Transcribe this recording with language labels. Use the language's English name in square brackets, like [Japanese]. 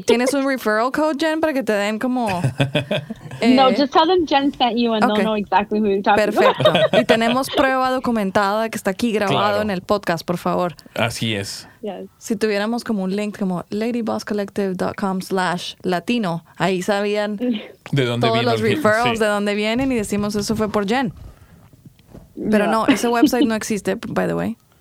[Spanish] ¿Tienes un [English] referral code, [Spanish] Jen, para que te den como...? [English] No, just tell them Jen sent you and they'll know exactly who you're talking [Spanish] Perfecto. Y tenemos prueba documentada que está aquí grabado en el podcast, por favor. Así es. [English] Yes. [Spanish] Si tuviéramos como un link como ladybosscollective.com/latino, ahí sabían de dónde todos los referrals, de dónde vienen, y decimos eso fue por Jen. Pero no, ese website no existe, [English] by the way.